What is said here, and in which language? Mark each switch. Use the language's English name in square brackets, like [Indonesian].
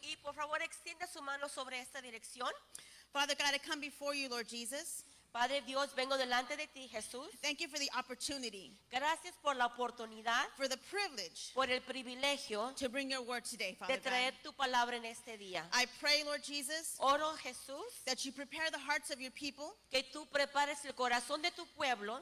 [Spanish] Y por favor, extiende su mano sobre esta dirección. [English] Father God, I come before you, Lord Jesus. [Spanish] Padre Dios, vengo delante de ti, Jesús. [English] Thank you for the opportunity. [Spanish] Gracias por la oportunidad. [English] For the privilege. [Spanish] Por el privilegio. [English] To bring your word today, Father. [Spanish] De traer tu palabra en este día. [English] I pray, Lord Jesus. [Spanish] Oro, Jesús. [English] That you prepare the hearts of your people. [Spanish] Que tú prepares el corazón de tu pueblo.